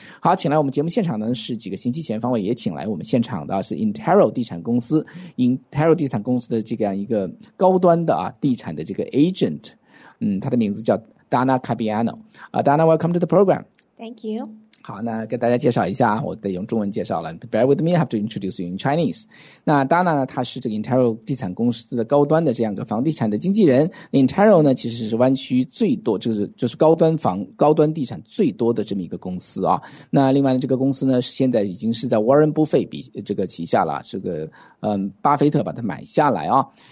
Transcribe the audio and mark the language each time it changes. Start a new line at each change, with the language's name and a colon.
Chinese: 好，请来我们节目现场呢，是几个星期前方位也请来我们现场的是 Intero 地产公司 ，Intero 地产公司的这样一个高端的啊地产的这个 agent， 他的名字叫 Dana Cabiano。
English: Dana， welcome to the program。 Thank you。
Chinese: 好，那给大家介绍一下，我得用中文介绍了。
English: Bear with me, I have to introduce you in Chinese.
Chinese: 那 Dana 呢，她是这个 Intero 地产公司的高端的这样一个房地产的经纪人。 Intero 呢，其实是湾区最多，就是高端房、高端地产最多的这么一个公司啊。那另外这个公司呢，现在已经是在 Warren Buffett 这个旗下了，这个巴菲特把它买下来啊。